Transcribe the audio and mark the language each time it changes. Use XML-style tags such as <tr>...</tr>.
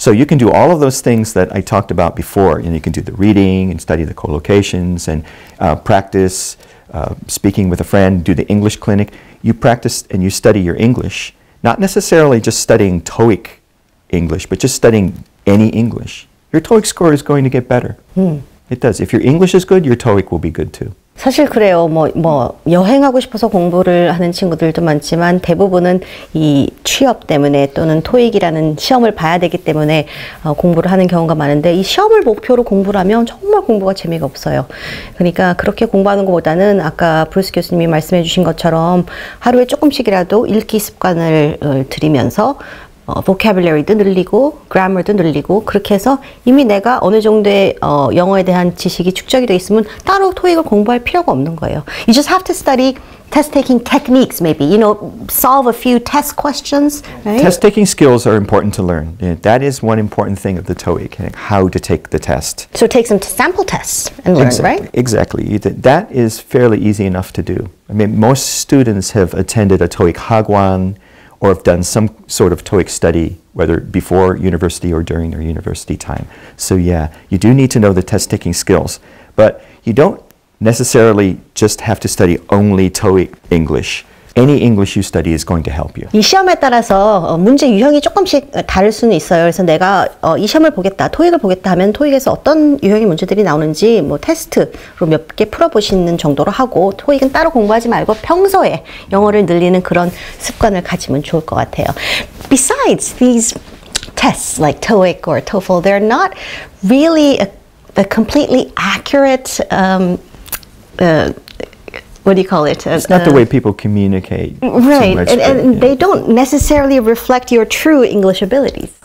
<en>So you can do all of those things that I talked about before. You know, you can do the reading and study the collocations and practice speaking with a friend, do the English clinic. You practice and you study your English, not necessarily just studying TOEIC English, but just studying any English. Your TOEIC score is going to get better. Mm. It does. If your English is good, your TOEIC will be good too.</en> <ko>사실 그래요. 뭐 여행하고 싶어서 공부를 하는 친구들도 많지만 대부분은 이 취업 때문에 또는 토익이라는 시험을 봐야 되기 때문에 공부를 하는 경우가 많은데 이 시험을 목표로 공부를 하면 정말 공부가 재미가 없어요. 그러니까 그렇게 공부하는 것보다는 아까 브루스 교수님이 말씀해 주신 것처럼 하루에 조금씩이라도 읽기 습관을 들이면서 vocabulary도 늘리고 grammar도 늘리고 그렇게 해서 이미 내가 어느 정도의 영어에 대한 지식이 축적이 돼 있으면 따로 토익을 공부할 필요가 없는 거예요.</ko> <en>You just have to study test taking techniques maybe. You know, solve a few test questions. Right? Test taking skills are important to learn. That is one important thing of the TOEIC, how to take the test. So take some sample tests and learn, exactly. Right? Exactly. That is fairly easy enough to do. I mean, most students have attended a TOEIC hagwon or have done some sort of TOEIC study, whether before university or during their university time. So yeah, you do need to know the test-taking skills, but you don't necessarily just have to study only TOEIC English. Any English you study is going to help you.</en> <ko>이 시험에 따라서 문제 유형이 조금씩 다를 수는 있어요. 그래서 내가 이 시험을 보겠다, 토익을 보겠다 하면 토익에서 어떤 유형의 문제들이 나오는지 뭐 테스트로 몇 개 풀어보시는 정도로 하고 토익은 따로 공부하지 말고 평소에 영어를 늘리는 그런 습관을 가지면 좋을 것 같아요.</ko> <en>Besides these tests like TOEIC or TOEFL, they're not really a completely accurate It's not the way people communicate. Right, too much, they don't necessarily reflect your true English abilities.</en>